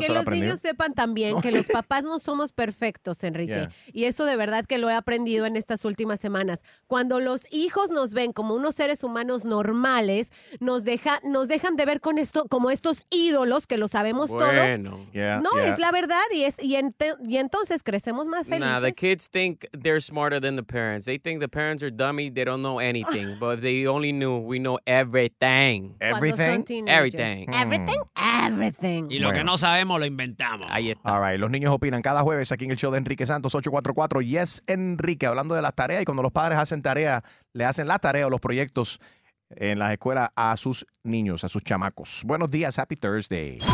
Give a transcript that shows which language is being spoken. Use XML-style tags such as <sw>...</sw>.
<es>que los aprendió niños sepan también, ¿no?, que los papás no somos perfectos, Enrique. Yeah. Y eso de verdad que lo he aprendido en estas últimas semanas. Cuando los hijos nos ven como unos seres humanos normales, nos dejan de ver con esto como estos ídolos que lo sabemos bueno todo. Bueno, yeah. No, yeah, es la verdad y entonces crecemos más felices.</es> <en>Nah, the kids think they're smarter than the parents. They think the parents are dummy. They don't know anything. But if they only knew, we know everything. Everything? Everything. Everything? Everything.</en> <es>Y lo bueno que no sabemos, lo inventamos. Ahí está.</es> <en>All right.</en> <es>Los niños opinan cada jueves aquí en el show de Enrique Santos, 844. Yes, Enrique. Hablando de las tareas y cuando los padres hacen tarea, le hacen la tarea o los proyectos en las escuelas a sus niños, a sus chamacos. Buenos días,</es> <en>happy Thursday.</en>